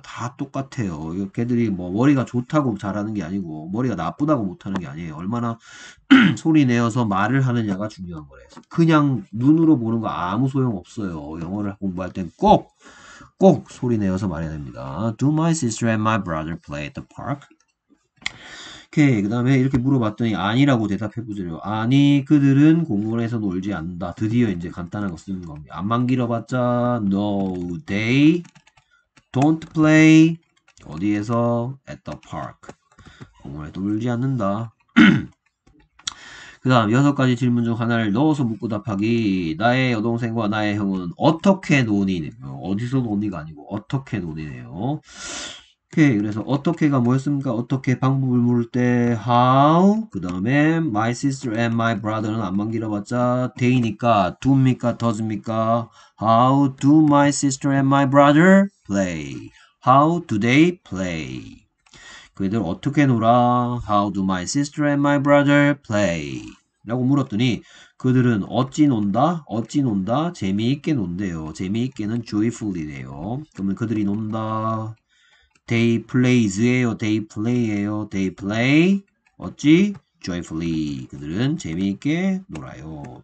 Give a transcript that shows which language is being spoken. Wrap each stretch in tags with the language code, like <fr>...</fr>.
<ko>다 똑같아요. 걔들이 뭐 머리가 좋다고 잘하는 게 아니고 머리가 나쁘다고 못하는 게 아니에요. 얼마나 소리 내어서 말을 하느냐가 중요한 거래요. 그냥 눈으로 보는 거 아무 소용 없어요. 영어를 공부할 땐 꼭 소리 내어서 말해야 됩니다.</ko> <en>Do my sister and my brother play at the park?</en> <ko>오케이. 그 다음에 이렇게 물어봤더니 아니라고 대답해 보세요. 아니, 그들은 공원에서 놀지 않는다. 드디어 이제 간단한 거 쓰는 겁니다. 앞만 길어봤자,</ko> <en>no, they don't play</en> <ko>어디에서?</ko> <en>At the park.</en> <ko>공원에 놀지 않는다. 그 다음, 여섯 가지 질문 중 하나를 넣어서 묻고 답하기. 나의 여동생과 나의 형은 어떻게 노니? 어디서 노니가 아니고, 어떻게 노니네요. 오케이. 그래서 어떻게가 뭐였습니까? 어떻게 방법을 물을 때 how? 그 다음에</ko> <en>my sister and my brother</en> <ko>는 안만 길어봤자 they니까 do입니까? does입니까?</ko> <en>How do my sister and my brother play? How do they play?</en> <ko>그 애들 어떻게 놀아?</ko> <en>How do my sister and my brother play?</en> <ko>라고 물었더니 그들은 어찌 논다? 어찌 논다? 재미있게 논대요. 재미있게는 joyfully래요. 그러면 그들이 논다.</ko> <en>They plays예요. They play예요. They play 어찌? Joyfully.</en> <ko>그들은 재미있게 놀아요.</ko>